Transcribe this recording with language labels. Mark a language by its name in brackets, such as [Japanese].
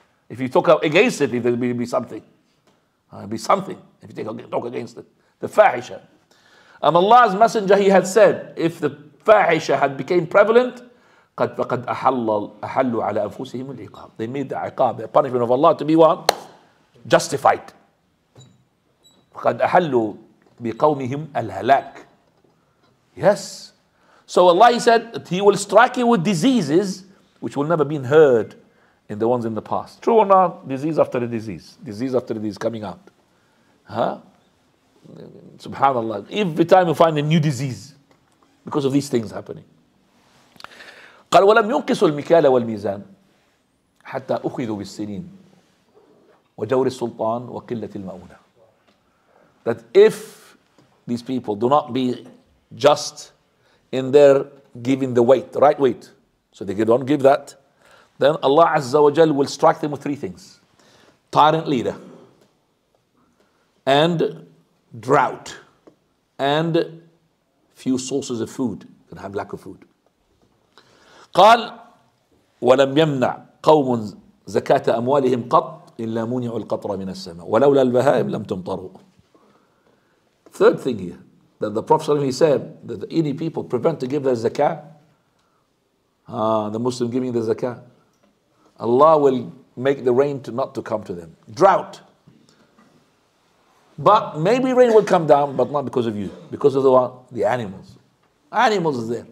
[English] If you talk against it, there will be something. If you talk against it. The fahisha. And Allah's messenger, he had said, if the fahisha had become prevalent, [Arabic] قَدْ أَحَلُّوا عَلَى أَنفُسِهِمُ الْعِقَابِ. [English] They made the iqab, the punishment of Allah, to be what? [Arabic] Justified. قَدْ أَحَلُّوا بِقَوْمِهِمْ الْهَلَاكِ. [English] Yes. So Allah, he said, he will strike you with diseases which will never been heard in the ones in the past. True or not? Disease after the disease. Disease after the disease coming out. Huh? Subhanallah. Every time you find a new disease because of these things happening. [Arabic] قال ولم ينقصوا المكيال والميزان حتى أخذوا بالسنين وجور السلطان وقلة المؤونة. [English] That if these people do not be just in their giving the weight, the right weight, so they don't give that, then Allah Azza wa Jal will strike them with three things: tyrant leader, and drought, and few sources of food, and have lack of food. [Arabic] قال ولم يمنع قوم زكاة أموالهم قط إلا منعوا القطرة من السماء ولولا البهائم لم تمطروا. [English] Third thing here, that the Prophet ﷺ, he said that any people prevent to give their zakah, the Muslim giving the zakah, Allah will make the rain to not to come to them. Drought. But maybe rain will come down, but not because of you, because of the what? The animals. Animals is there.